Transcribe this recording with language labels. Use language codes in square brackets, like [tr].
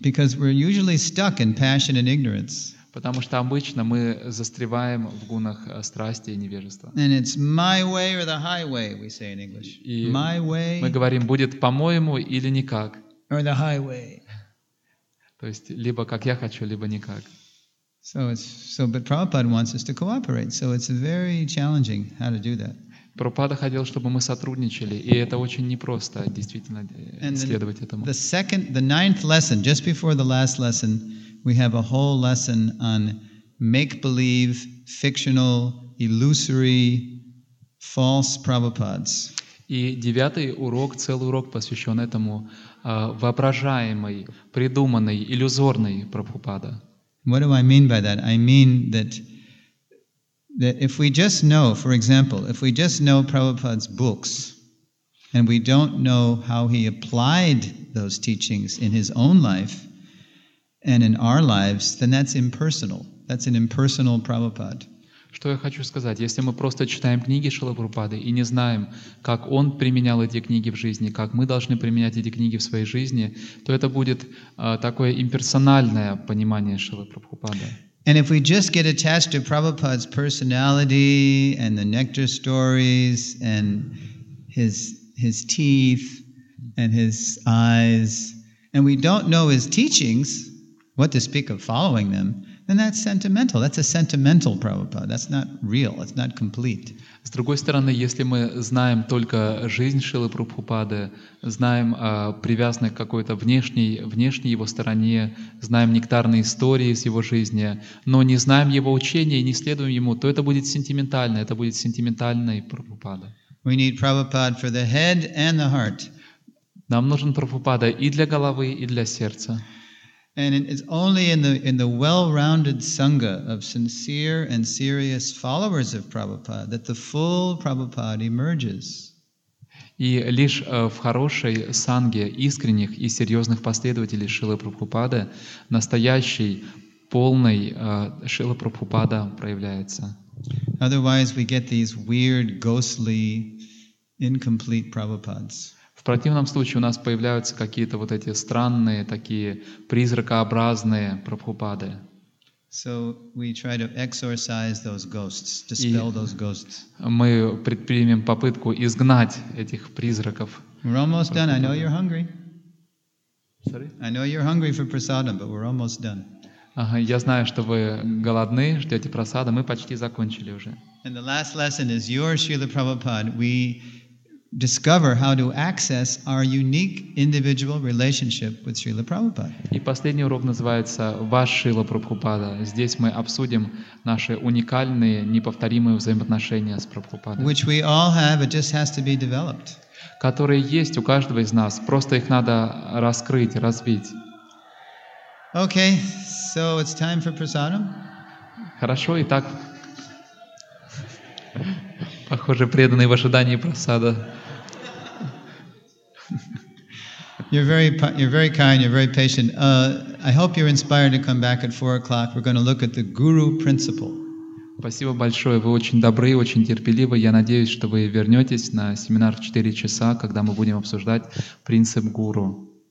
[en] Because we're usually stuck in passion and ignorance. [ru] Потому что обычно мы застреваем в гунах страсти и невежества. [en] And it's my way or the highway, we say in English. My way. [ru] Мы говорим, будет по-моему или никак. [en] Or the highway. [ru] То есть либо как я хочу, либо никак. [en] But Prabhupada wants us to cooperate. So it's very challenging how to do that. [ru] Прабхупада хотел, чтобы мы сотрудничали, и это очень непросто, действительно, следовать этому. [en] The second, the ninth lesson, just before the last lesson, we have a whole lesson on make-believe, fictional, illusory, false Prabhupadas. [ru] И девятый урок, целый урок посвящен этому, воображаемый, придуманный, иллюзорный Прабхупада. [en] What do I mean by that? I mean that if we just know, for example, if we just know Prabhupada's books and we don't know how he applied those teachings in his own life and in our lives, then that's impersonal. That's an impersonal Prabhupada. [ru] Что я хочу сказать? Если мы просто читаем книги Шрилы Прабхупады и не знаем, как он применял эти книги в жизни, как мы должны применять эти книги в своей жизни, то это будет такое имперсональное понимание Шрилы Прабхупады. [en] And if we just get attached to Prabhupada's personality and the nectar stories and his teeth and his eyes, and we don't know his teachings, what to speak of following them, then that's sentimental. That's a sentimental Prabhupada. That's not real. It's not complete. [ru] С другой стороны, если мы знаем только жизнь Шрилы Прабхупады, знаем привязанных к какой-то внешней его стороне, знаем нектарные истории из его жизни, но не знаем его учения и не следуем ему, то это будет сентиментально, это будет сентиментальный Прабхупада. [en] We need Prabhupada for the head and the heart. [ru] Нам нужен Прабхупада и для головы, и для сердца. [en] And it's only in the well-rounded sangha of sincere and serious followers of Prabhupada that the full Prabhupada emerges. [ru] И лишь в хорошей санге искренних и серьезных последователей Шрилы Прабхупады настоящий полный Шрила Прабхупада проявляется. [en] Otherwise, we get these weird, ghostly, incomplete Prabhupadas. [ru] В противном случае у нас появляются какие-то вот эти странные, такие призракообразные Прабхупады. [en] So we try to exorcise those ghosts, dispel those ghosts. [ru] Мы предпримем попытку изгнать этих призраков. [en] We're almost done. I know you're hungry. Sorry? I know you're hungry for prasadam, but we're almost done. [ru] Я знаю, что вы голодны, ждете прасада. Мы почти закончили уже. [en] And the last lesson is your Srila Prabhupada. We discover how to access our unique individual relationship with Srila Prabhupada. [ru] И последний урок называется «Ваш Шрила Прабхупада». Здесь мы обсудим наши уникальные, неповторимые взаимоотношения с Прабхупадой. [en] Which we all have, it just has to be developed. [ru] Которые есть у каждого из нас, просто их надо раскрыть, развить. [en] Okay, so it's time for prasadam. [ru] Хорошо, итак. Похоже, преданные в ожидании просада. [en] You're very kind, you're very patient. I hope you're inspired to come back at 4 o'clock. We're going to look at the Guru principle. [ru] Спасибо большое. Вы очень добры, очень терпеливы. Я надеюсь, что вы вернетесь на семинар в 4 часа, когда мы будем обсуждать принцип Гуру.